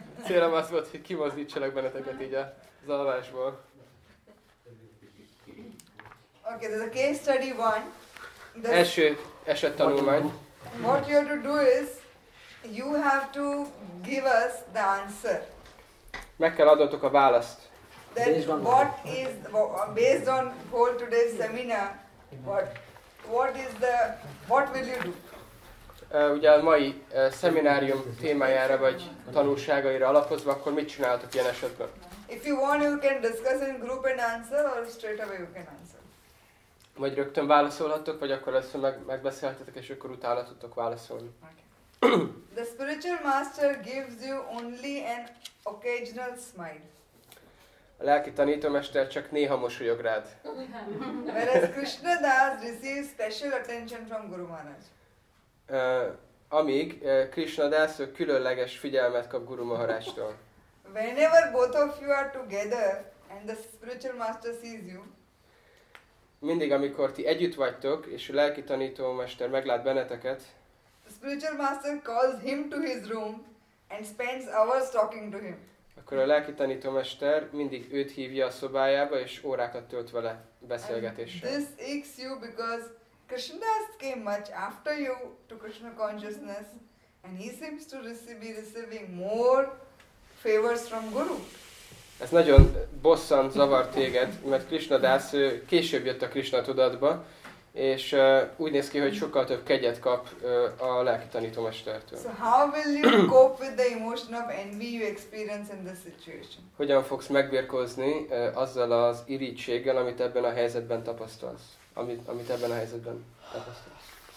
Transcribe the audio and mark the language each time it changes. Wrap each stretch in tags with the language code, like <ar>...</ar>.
<hu>Célom az volt, hogy kimozdítsalak benneteket így az alvásból.</hu> <en>Okay, there's a case study one.</en> <hu>The első esettanulmány.</hu> <en>What you have to do is, you have to give us the answer.</en> <hu>Meg kell adnotok a választ.</hu> <en>Then what is, based on whole today's seminar, what will you do?</en> <hu>Ugye a mai szeminárium témájára vagy tanulságaira alapozva, akkor mit csináltok ilyen esetben?</hu> <en>If you want, you can discuss in group and answer, or straight away you can answer.</en> <hu>Vagy rögtön válaszolhattok, vagy akkor ezt megbeszélhetetek, és akkor utána tudtok válaszolni.</hu> <en>The spiritual master gives you only an occasional smile.</en> <hu>A lelki tanítómester csak néha mosolyog rád.</hu> <en>Whereas Krishna Das receives special attention from Guru Maharaj.</en> <hu>amíg Krishna Dasa különleges figyelmet kap Guru Maharajtól.</hu> <en>Whenever both of you are together and the spiritual master sees you.</en> <hu>Mindig amikor ti együtt vagytok és a lelki tanító mester meglát benneteket.</hu> <en>The spiritual master calls him to his room and spends hours talking to him.</en> <hu>Akkor a lelki tanító mester mindig őt hívja a szobájába és órákat tölt vele beszélgetéssel.</hu> <en>And this aches you because Krishna came much after you to Krishna consciousness and he seems to be receiving more favors from Guru.</en> <hu>Ez nagyon bosszant, zavar téged, mert Krishna Das később jött a Krishna tudatba, és úgy néz ki, hogy sokkal több kegyet kap a lelki tanítómestertől.</hu> <en>So how will you cope with the emotion of envy you experience in this situation?</en> <hu>Hogyan fogsz megbirkózni azzal az irítséggel, amit ebben a helyzetben tapasztalsz? Amit ebben a helyzetben tapasztalsz?</hu>